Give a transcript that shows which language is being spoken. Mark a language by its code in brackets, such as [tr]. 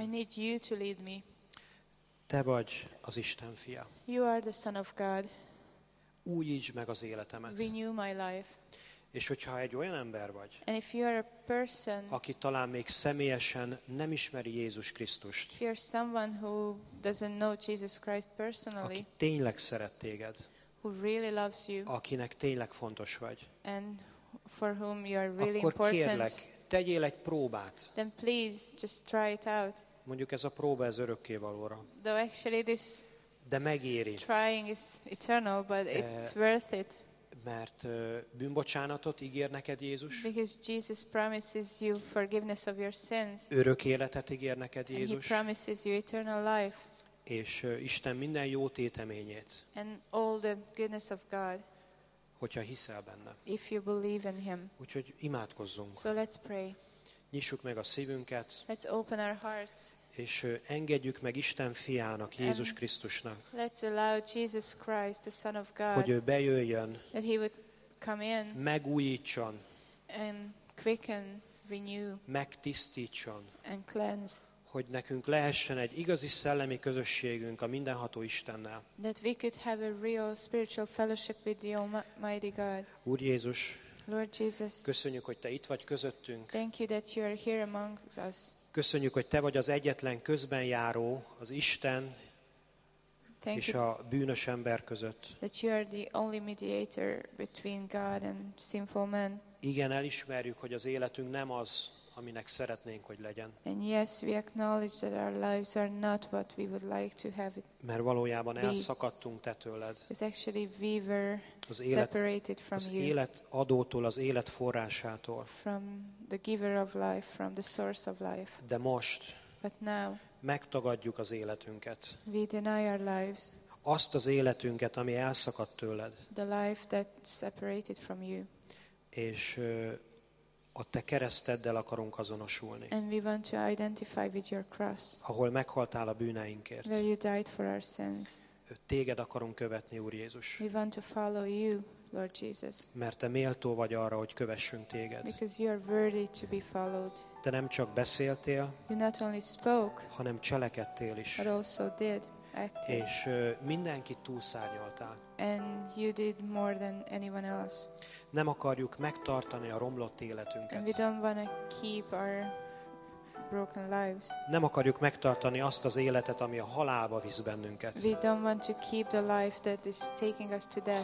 [en] I need you to lead me. [hu] Te vagy az Isten fia. [en] You are the son of God. [hu] Újítsd meg az életemet. [en] Renew my life. [hu] És hogyha egy olyan ember vagy, [en] and if you are a person, [hu] aki talán még személyesen nem ismeri Jézus Krisztust, [en] if you are someone who doesn't know Jesus Christ personally, [hu] aki tényleg szeret téged, [en] who really loves you, [hu] akinek tényleg fontos vagy, [en] and for whom you are really [hu] akkor [en] important, [hu] kérlek, tegyél egy próbát. [en] Then please just try it out. [hu] Mondjuk ez a próba ez örökké valóra. [en] Though actually this, [hu] de megéri. [en] Trying is eternal, but it's worth it. [hu] Mert bűnbocsánatot ígér neked Jézus. [en] Because Jesus promises you forgiveness of your sins. [hu] Örök életet ígér neked Jézus. [en] And he promises you eternal life. [hu] És Isten minden jó téteményét. [en] And all the goodness of God. [hu] Hogyha hiszel benne. [en] If you believe in him. [hu] Úgyhogy imádkozzunk. [en] So let's pray. [hu] Nyissuk meg a szívünket. [en] Let's open our hearts. [hu] És engedjük meg Isten fiának, Jézus Krisztusnak, [en] let's allow Jesus Christ, the Son of God, [hu] hogy ő bejöjjön, [en] that he would come in, [hu] megújítson, [en] and quicken, renew, [hu] megtisztítson, [en] and cleanse, [hu] hogy nekünk lehessen egy igazi szellemi közösségünk a mindenható Istennel. [en] That we could have a real spiritual fellowship with the Almighty God. [hu] Úr Jézus, [en] Lord Jesus, [hu] köszönjük, hogy te itt vagy közöttünk. [en] Thank you that you are here among us. [hu] Köszönjük, hogy te vagy az egyetlen közben járó, az Isten [en] thank [hu] és a bűnös ember között. [en] That you are the only mediator between God and sinful men. [hu] Igen, elismerjük, hogy az életünk nem az, aminek szeretnénk, hogy legyen. [en] And yes, we acknowledge that our lives are not what we would like to have it. [hu] Mert valójában elszakadtunk te tőled. [en] It's actually we were [hu] az élet, [en] separated from [hu] az [en] you. [hu] Az élet adótól, az élet forrásától. [en] From the giver of life, from the source of life. [hu] De most. [en] But now. [hu] Megtagadjuk az életünket. [en] We deny our lives. [hu] Azt az életünket, ami elszakadt tőled. [en] The life that separated from you. [hu] És a te kereszteddel akarunk azonosulni. [en] And we want to identify with your cross. [hu] Ahol meghaltál a bűneinkért. [en] Where you died for our sins. [hu] Téged akarunk követni, Úr Jézus. [en] We want to follow you, Lord Jesus. [hu] Mert te méltó vagy arra, hogy kövessünk téged. [en] Because you are worthy to be followed. [hu] Te nem csak beszéltél, [en] you not only spoke, [hu] hanem cselekedtél is. [en] But also did, acted. [hu] És mindenkit túlszárnyaltál. [en] And you did more than anyone else. [hu] Nem akarjuk megtartani a romlott életünket. [en] And we don't want to keep our broken lives. [hu] Nem akarjuk megtartani azt az életet, ami a halálba visz bennünket. [en] We don't want to keep the life that is taking us to death.